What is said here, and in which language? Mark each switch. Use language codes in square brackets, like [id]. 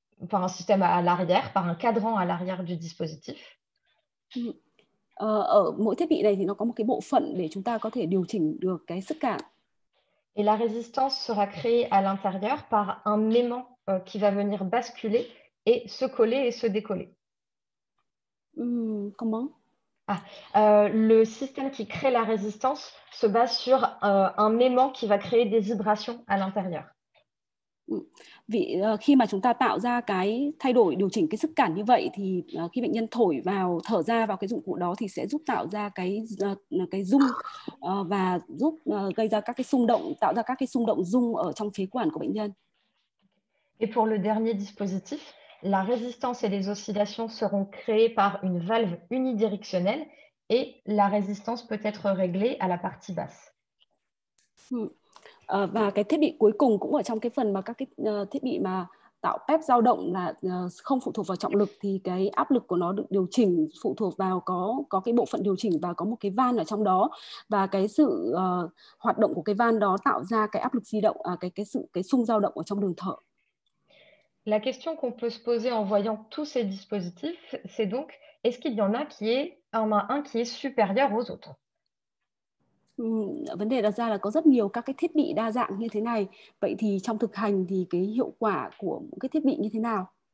[fr] Par un système à l'arrière, par un cadran à l'arrière du dispositif. [vi] Ở mỗi thiết bị này thì nó có một cái bộ phận để chúng ta có thể điều chỉnh được cái sức cản. [fr] Et la résistance sera créée à l'intérieur par un aimant qui va venir basculer et se coller et se décoller. Comment? Le système qui crée la résistance se base sur un aimant qui va créer des vibrations à l'intérieur. [vi] Vì khi mà chúng ta tạo ra cái thay đổi điều chỉnh cái sức cản như vậy thì khi bệnh nhân thổi vào thở ra vào cái dụng cụ đó thì sẽ giúp tạo ra cái rung và giúp gây ra các cái xung động tạo ra các cái xung động rung ở trong phế quản của bệnh nhân. [fr] Et pour le dernier dispositif, la résistance et les oscillations seront créées par une valve unidirectionnelle et la résistance peut être réglée à la partie basse. [vi] Và cái thiết bị cuối cùng cũng ở trong cái phần mà các cái thiết bị mà tạo PEP dao động là không phụ thuộc vào trọng lực thì cái áp lực của nó được điều chỉnh phụ thuộc vào có cái bộ phận điều chỉnh và có một cái van ở trong đó và cái sự hoạt động của cái van đó tạo ra cái áp lực di động cái xung dao động ở trong đường thở. [fr] La question qu'on peut se poser en voyant tous ces dispositifs, c'est donc, est-ce qu'il y en a qui est en a un qui est supérieur aux autres? [vi] Vấn đề đặt ra là có rất nhiều các cái thiết bị đa dạng như thế này. Vậy thì trong thực hành thì cái hiệu quả của một cái thiết bị như thế nào?